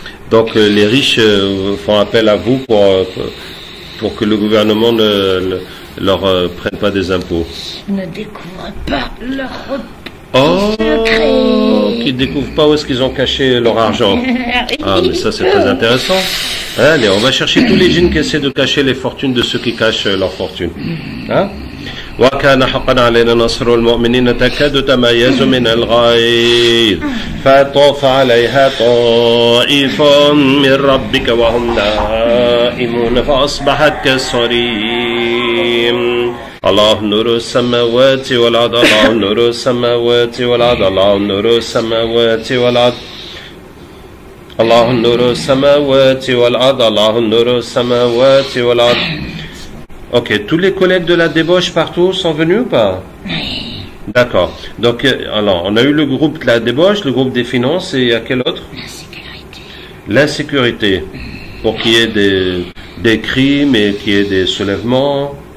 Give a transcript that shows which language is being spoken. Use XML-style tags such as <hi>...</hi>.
<fr>Donc, les riches font appel à vous pour que le gouvernement ne leur prenne pas des impôts. Ne découvrent pas leur secret. Qu'ils découvrent pas où est-ce qu'ils ont caché leur argent. Ah, mais ça, c'est très intéressant. Allez, on va chercher tous les djinns qui essaient de cacher les fortunes de ceux qui cachent leur fortune. Hein?</fr> <ar>وكان حقا علينا نصر المؤمنين تكاد تميز من الغيظ فطوف عليها طائف من ربك وهم نائمون فأصبحت كالصريم الله نور السماوات والأرض الله نور السماوات والأرض الله نور السماوات والأرض الله نور السماوات والأرض الله نور السماوات والأرض.</ar> <fr>Ok, tous les collègues de la débauche partout sont venus ou pas? Oui. D'accord. Donc, alors, on a eu le groupe de la débauche, le groupe des finances, et il y a quel autre? L'insécurité. L'insécurité. Pour qu'il y ait des crimes et qu'il y ait des soulèvements?</fr>